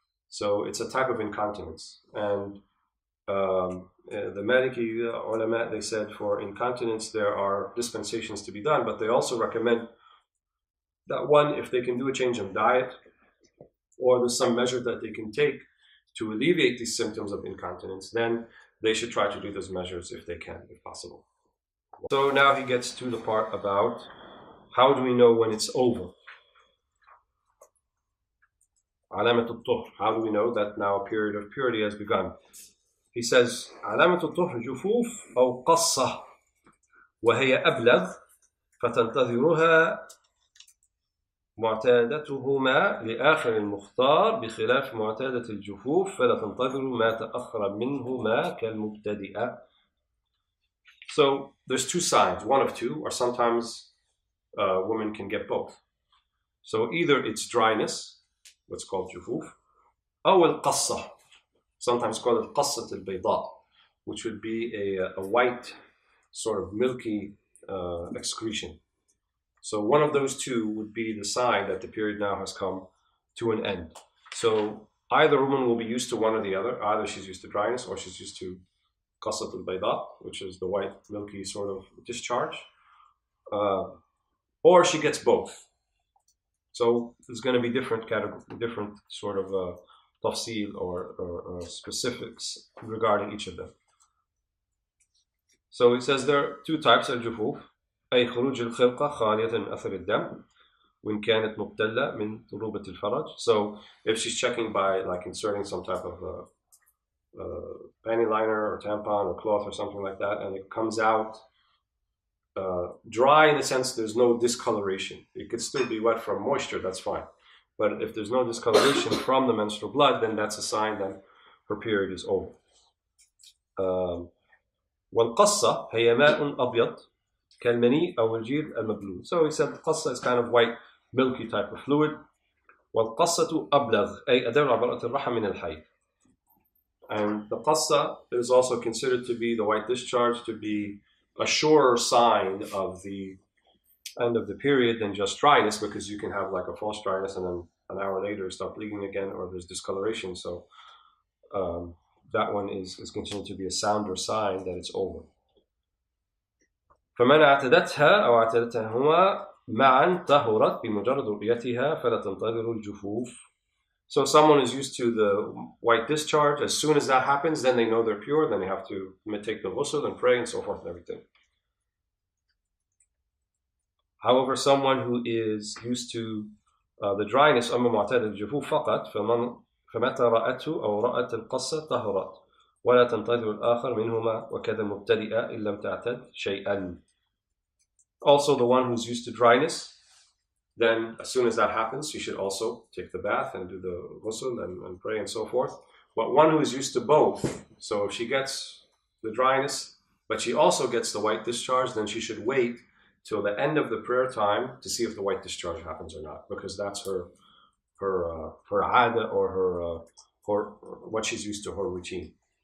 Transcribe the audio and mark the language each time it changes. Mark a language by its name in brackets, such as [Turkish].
[English] So it's a type of incontinence. And the Maliki ulama, they said for incontinence, there are dispensations to be done, but they also recommend that one, if they can do a change of diet, or there's some measure that they can take to alleviate these symptoms of incontinence, then they should try to do those measures if they can, if possible. So now he gets to the part about how do we know when it's over? [Arabic] علامة الطهر. [English] How do we know that now a period of purity has begun? [Arabic] He says علامة الطهر جفوف أو قصة وهي أبلغ فتنتظرها معتادتهما لآخر المختار بخلاف معتادة الجفوف فلا تنتظر ما تأخر منهما كالمبتدئة. [English] So there's two signs, one of two, or sometimes women can get both. So either it's dryness, what's called jufuf, or al-qassah, sometimes called al-qassah al-bayda, which would be a white sort of milky excretion. So one of those two would be the sign that the period now has come to an end. So either woman will be used to one or the other, either she's used to dryness or she's used to qasat al-bayda, which is the white milky sort of discharge, or she gets both. So there's going to be different category, different sort of tafsil or specifics regarding each of them. So it says there are two types of jufuf: [Arabic] أي خروج الخلقة خالية من أثر الدم وإن كانت مبتلة من طروبة الفرج. [English] So if she's checking by like inserting some type of panty liner or tampon or cloth or something like that, and it comes out dry in the sense there's no discoloration. It could still be wet from moisture, that's fine. But if there's no discoloration from the menstrual blood, then that's a sign that her period is over. [Arabic] والقصّة هي ماء أبيض كالمني أو الجير المبلول. [English] So he said قصّة is kind of white, milky type of fluid. [Arabic] والقصّة أبلغ أي أدر عبارة الرحم من الحي. [English] And the qassa is also considered to be the white discharge, to be a surer sign of the end of the period than just dryness, because you can have like a false dryness and then an hour later start bleeding again or there's discoloration. So that one is considered to be a sounder sign that it's over. [Arabic] فمن اعتدتها أو اعتدتهما معا طهرت بمجرد رؤيتها فلا تنتظر الجفوف. [English] So someone is used to the white discharge. As soon as that happens, then they know they're pure. Then they have to take the ghusl and pray and so forth and everything. However, someone who is used to the dryness, [Arabic] أما معتاد الجفوف فقط, فمتى رأته أو رأت القصة طهرت ولا تنتظر الآخر منهما وكذا مبتدئة إن لم تعتد شيئا. [English] Also, the one who's used to dryness, then as soon as that happens, you should also take the bath and do the ghusl and pray and so forth. But one who is used to both, so if she gets the dryness, but she also gets the white discharge, then she should wait till the end of the prayer time to see if the white discharge happens or not, because that's her ada or her what she's used to, her routine.